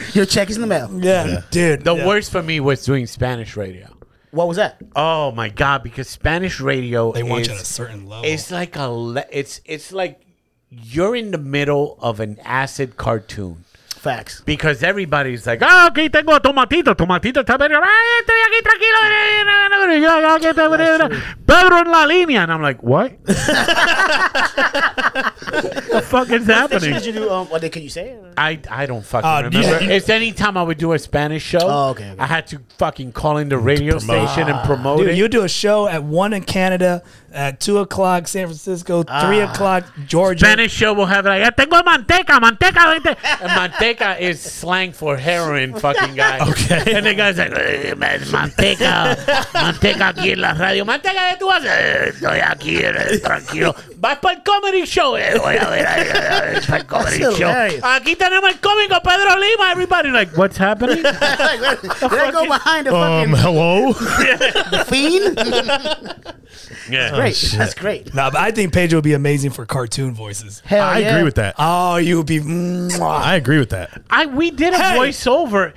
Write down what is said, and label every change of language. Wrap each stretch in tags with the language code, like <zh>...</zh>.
<en>Your check is in the mail. Yeah. Dude. The worst for me was doing Spanish radio. What was that? Oh, my God. Because Spanish radio they want is, you at a certain level. It's like a, it's like you're in the middle of an acid cartoon. Facts. Because everybody's like, oh,</en> <es>aquí tengo tomatito, tomatito, tomatito. Ay, estoy aquí tranquilo. Pedro en la línea.</es> <en>And I'm like, what? What the fuck is happening? What did you do? What can you say? I don't fucking remember. It's any time I would do a Spanish show. Oh, okay, okay. I had to fucking call in the radio station and promote dude, it. You do a show at 1 in Canada. At 2 o'clock, San Francisco. 3 o'clock, Georgia. Spanish show will have it. Like,</en> <es>tengo manteca, manteca.</es> <en>And manteca is slang for heroin, fucking guy. Okay. And the guy's like, manteca.</en> <es>Manteca aquí en la radio. Manteca, ¿qué tú haces? Estoy aquí, tranquilo. Vas para el comedy show. Voy a ver, ahí, para el comedy show. Aquí tenemos el cómico Pedro Lima,</es> <en>everybody. Like, what's happening? Did I go behind the fucking... Hello? The fiend? Yeah. That's great. Oh, that's great. No, but I think Pedro would be amazing for cartoon voices. Hell yeah. I agree with that. Oh, you would be. Mwah. I agree with that. We did a voiceover.</en>